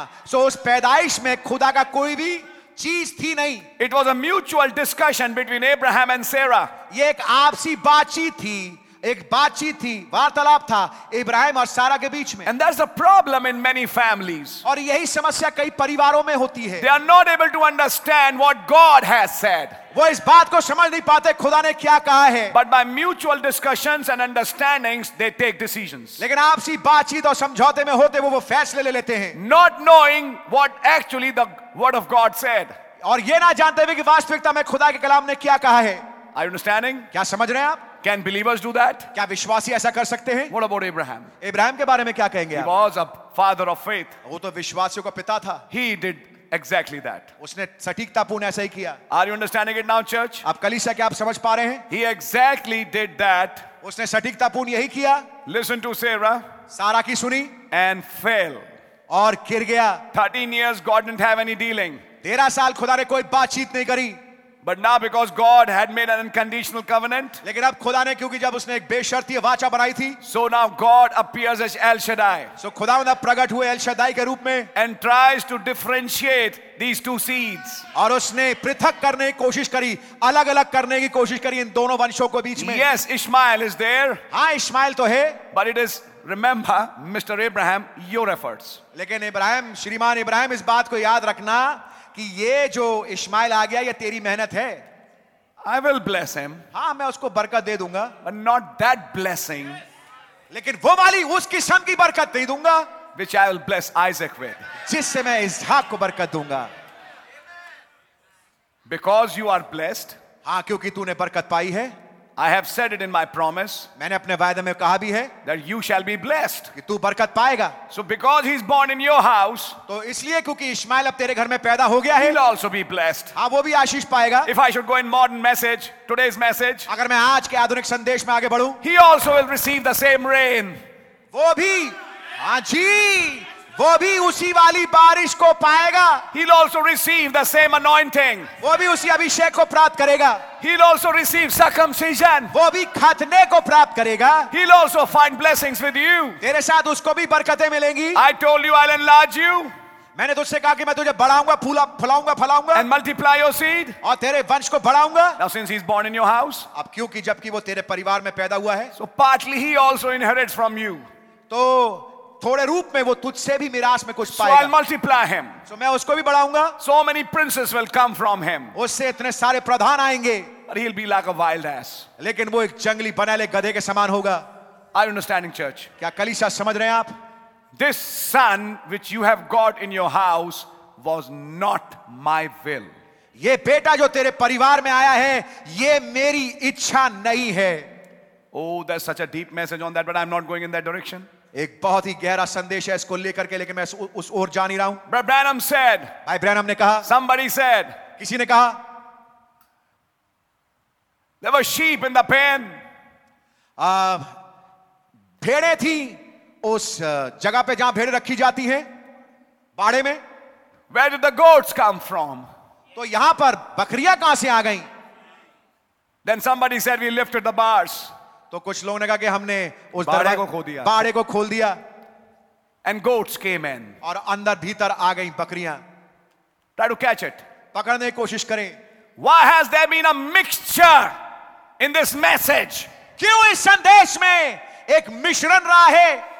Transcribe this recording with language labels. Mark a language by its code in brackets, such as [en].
[hi] सो उस पैदाइश में खुदा का कोई भी चीज थी नहीं. [en] It was a mutual discussion between Abraham and Sarah. [hi] ये एक आपसी बातचीत थी. एक बातचीत थी, वार्तालाप था इब्राहिम और सारा के बीच में. [en] And that's the problem in many families. [hi] और यही समस्या कई परिवारों में होती है. [en] They are not able to understand what God has said. [hi] वो इस बात को समझ नहीं पाते खुदा ने क्या कहा है. [en] But by mutual discussions and understandings, they take decisions. [hi] लेकिन आपसी बातचीत और समझौते में होते वो फैसले ले लेते हैं. [en] Not knowing what actually the word of God said. [hi] और ये ना जानते हुए कि वास्तविकता में खुदा के कलाम ने क्या कहा है. [en] Are you understanding? [hi] क्या समझ रहे हैं आप? [en] Can believers do that? [hi] क्या विश्वासी ऐसा कर सकते हैं? [en] What about Abraham? [hi] Abraham के बारे में क्या कहेंगे आप? [en] He was a father of faith. [hi] वो तो विश्वासियों का पिता था. [en] He did exactly that. [hi] उसने सटीकतापूर्ण ऐसा ही किया. [en] Are you understanding it now, church? [hi] आप कलीसिया क्या आप समझ पा रहे हैं? [en] He exactly did that. [hi] उसने सटीकतापूर्ण यही किया. [en] Listen to Sarah. [hi] सारा की सुनी. [en] And fell. [hi] और गिर गया. [en] 13 years God didn't have any dealing. [hi] 13 साल खुदा ने कोई बातचीत नहीं करी. [en] But now because God had made an unconditional covenant. [hi] लेकिन अब खुदा ने क्योंकि जब उसने एक बेशर्ती वाचा बनाई थी. [en] So now God appears as El Shaddai. [hi] So खुदावंद अब प्रकट हुए El Shaddai के रूप में. [en] And tries to differentiate these two seeds. [hi] और उसने पृथक करने की कोशिश करी, अलग अलग करने की कोशिश करी इन दोनों वंशों को बीच में. [en] Yes, Ishmael is there. [hi] हाँ इश्माइल तो है. [en] But it is, remember, Mr. Abraham, your efforts. [hi] लेकिन इब्राहिम, श्रीमान इब्राहिम, इस बात को याद रखना कि ये जो इश्माइल आ गया ये तेरी मेहनत है. [en] I will bless him. [hi] हाँ, मैं उसको बरकत दे दूंगा. [en] But not that blessing. [hi] लेकिन वो वाली उस किस्म की बरकत दे दूंगा. [en] Which I will bless Isaac with. [hi] जिससे मैं इसहाक को बरकत दूंगा. [en] Because you are blessed. [hi] हाँ, क्योंकि तूने बरकत पाई है. [en] I have said it in my promise. [hi] मैंने अपने वायदे में कहा भी है. [en] That you shall be blessed. [hi] कि तू बरकत पाएगा. [en] So because he is born in your house. [hi] तो इसलिए क्योंकि इश्माइल अब तेरे घर में पैदा हो गया है. [en] He'll also be blessed. [hi] हाँ, वो भी आशीष पाएगा. [en] If I should go in modern message, today's message. [hi] अगर मैं आज के आधुनिक संदेश में आगे बढूं. [en] He also will receive the same rain. [hi] वो भी. हाँ जी. वो भी उसी वाली बारिश को पाएगा. [en] He'll also receive the same anointing. [hi] वो भी उसी अभिषेक को प्राप्त करेगा. [en] He'll also receive circumcision. [hi] वो भी खतने को प्राप्त करेगा. [en] He'll also find blessings with you. [hi] तेरे साथ उसको भी बरकतें मिलेंगी. [en] I told you I'll enlarge you. [hi] मैंने तुझसे कहा कि मैं तुझे बढ़ाऊंगा, फुलाऊंगा, फलाऊंगा. [en] And multiply your seed. [hi] और तेरे वंश को बढ़ाऊंगा. [en] Now since he's born in your house. [hi] अब क्योंकि जबकि वो तेरे परिवार में पैदा हुआ है. [en] So partly he also inherits from you. [hi] तो थोड़े रूप में वो तुझसे भी मिराश में कुछ पाएगा. [en] So I'll multiply him. [hi] So मैं उसको भी बढ़ाऊंगा. [en] So many princes will come from him. [hi] उससे इतने सारे प्रधान आएंगे. [en] But he'll be like a wild ass. [hi] लेकिन वो एक जंगली बनेले गधे के समान होगा. [en] Are you understanding, church? [hi] क्या कलीसिया समझ रहे हैं आप? [en] This son which you have got in your house was not my will. [hi] ये बेटा जो तेरे परिवार में आया है, ये मेरी इच्छा नहीं है. [en] Oh, there's such a deep message on that, but I'm not going in that direction. [hi] एक बहुत ही गहरा संदेश है इसको लेकर के, लेकिन मैं उस ओर जा नहीं रहा हूं. [en] Branham said, [hi] भाई ब्रैनम ने कहा. [en] Somebody said, [hi] किसी ने कहा. [en] There were sheep in the pen. [hi] भेड़े थी उस जगह पे जहां भेड़ रखी जाती है बाड़े में. [en] Where did the goats come from? [hi] तो यहां पर बकरियां कहां से आ गई. [en] Then somebody said, we lifted the bars. [hi] तो कुछ लोगों ने कहा कि हमने उस बाड़े को खोल दिया. बाड़े को खोल दिया. [en] And goats came in. [hi] और अंदर भीतर आ गई बकरियां. [en] Try to catch it. [hi] पकड़ने की कोशिश करें. [en] Why has there been a mixture in this message. [hi] क्यों इस संदेश में एक मिश्रण रहा है.